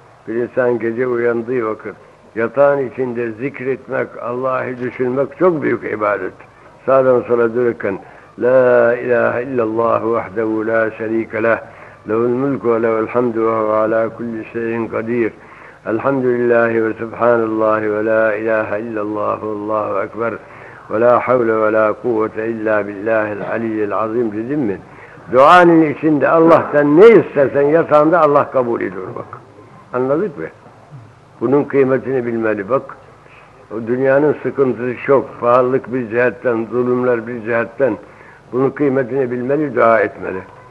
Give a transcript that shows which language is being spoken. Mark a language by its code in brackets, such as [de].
[tr] Bir insan gece uyandığı vakit, yatağın içinde zikretmek, Allah'ı düşünmek çok büyük ibadet. Sağdan sola dönerken, [ar] La ilahe illallah vahdehu la şerike leh, lehu'l mülkü ve lehu'l hamdü ve hu ala kulli şeyin kadir. الحمد لله وسبحان الله ولا إله إلا الله والله أكبر ولا حول ولا قوة إلا بالله العلي العظيم بذمه. [tr] Duanın içinde Allah'tan ne istersen yatağında Allah kabul ediyor bak. Anladık mı? Bunun kıymetini bilmeli bak. O dünyanın sıkıntısı çok. Pahalılık bir cihetten, zulümler bir cihetten. Bunun kıymetini bilmeli, dua etmeli.